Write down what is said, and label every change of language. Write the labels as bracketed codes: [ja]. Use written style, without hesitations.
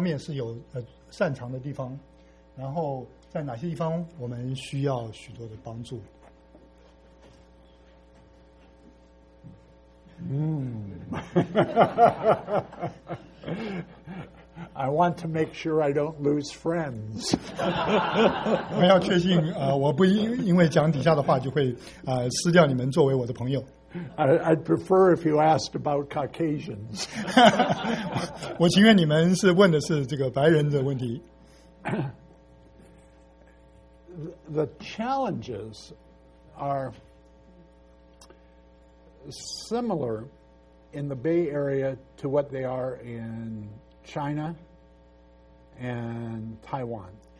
[zh] 这个问题的中文是这样子的，就是说，你所观察到的，中国人教会在这个湾区的中国人教会，你认为，我们的恩赐还有弱点，关于在与神的关系上面呢，我们的恩赐，我们的弱点是在哪里？然后，我们在哪方面是有擅长的地方？然后在哪些地方我们需要许多的帮助？I [en] want to make sure I don't lose friends. [zh] 我要确信，我不因为讲底下的话就会撕掉你们作为我的朋友。I'd [en] prefer if you asked about Caucasians. [zh] 我情愿你们是问的是这个白人的问题。 [en] The challenges are similar in the Bay Area to what they are in China and Taiwan.